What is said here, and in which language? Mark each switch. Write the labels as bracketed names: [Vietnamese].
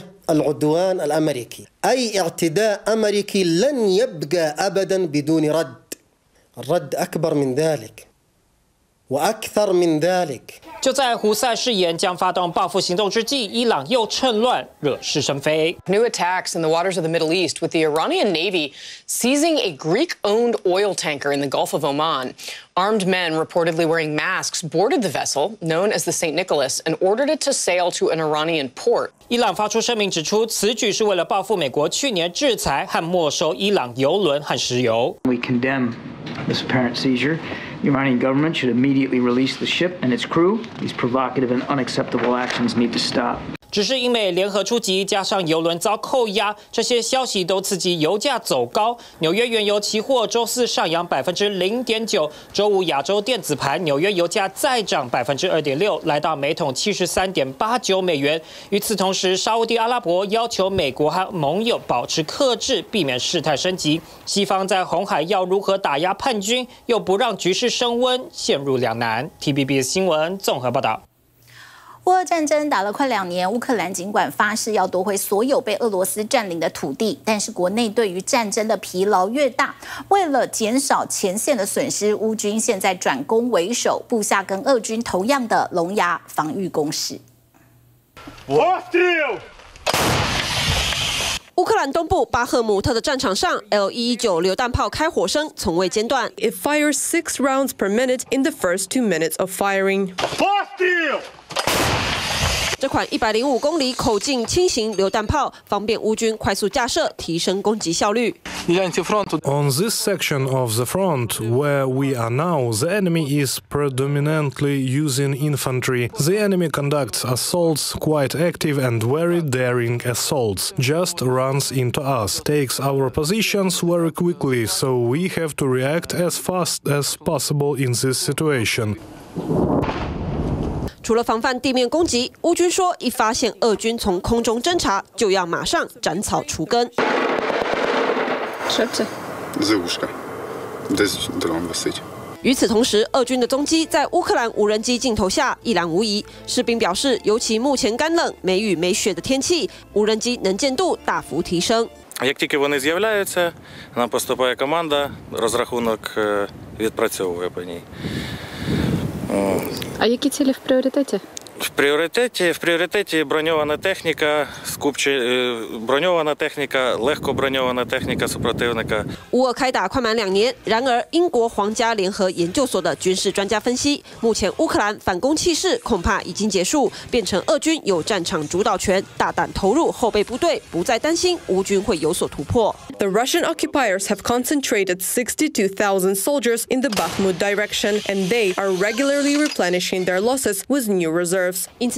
[Arabic] العدوان الأمريكي أي اعتداء أمريكي لن يبقى أبدا بدون رد رد أكبر من ذلك وأكثر من ذلك [Chinese] 就在胡塞誓言将发动报复行动之际，伊朗又趁乱惹是生非。 [English] New attacks in the waters of the Middle East with the Iranian Navy seizing a Greek-owned oil tanker in the Gulf of Oman. Armed men reportedly wearing masks boarded the vessel known as the St. Nicholas and ordered it to sail to an Iranian port. [Chinese] 伊朗发出声明指出，此举是为了报复美国去年制裁和没收伊朗油轮和石油。 [English] We condemn this apparent seizure. The Iranian government should immediately release the ship and its crew. These provocative and unacceptable actions need to stop. [Chinese] 只是英美联合出击，加上油轮遭扣押，这些消息都刺激油价走高。纽约原油期货周四上扬0.9%，周五亚洲电子盘纽约油价再涨2.6%，来到每桶73.89美元。与此同时，沙烏地阿拉伯要求美国和盟友保持克制，避免事态升级。西方在红海要如何打压叛军，又不让局势升温，陷入两难。 TBB 新闻综合报道。乌俄战争打了快两年，乌克兰尽管发誓要夺回所有被俄罗斯占领的土地，但是国内对于战争的疲劳越大，为了减少前线的损失，乌军现在转攻为守，布下跟俄军同样的龙牙防御攻势。乌克兰东部巴赫姆特的战场上 ，L-119 榴弹炮开火声从未间断。 [English] It fires 6 rounds per minute in the first 2 minutes of firing. Hostile! [Chinese] 这款105公里口径轻型榴弹炮方便乌军快速架设，提升攻击效率。 [English] On this section of the front where we are now, the enemy is predominantly using infantry. The enemy conducts assaults quite active and very daring assaults. Just runs into us, takes our positions very quickly, so we have to react as fast as possible in this situation. [Chinese] 除了防范地面攻击，乌军说一发现俄军从空中侦察，就要马上斩草除根。与此同时，俄军的踪迹在乌克兰无人机镜头下一览无遗。士兵表示，尤其目前干冷、没雨没雪的天气，无人机能见度大幅提升。 [Ukrainian] Як тільки вони з'являються, нам поступає команда, розрахунок відпрацьовує по ній. А які цілі в пріоритеті? В пріоритеті броньована техніка, легко броньована техніка супротивника. [Chinese] У ОК 打快满两年, 然而英国皇家联合研究所的军事专家分析, 目前乌克兰反攻气势恐怕已经结束, 变成俄军有战场主导权, 大胆投入后备部队, 不再担心乌军会有所突破。 [English] The Russian occupiers have concentrated 62,000 soldiers in the Bakhmut direction, and they are regularly replenishing their losses with new reserves.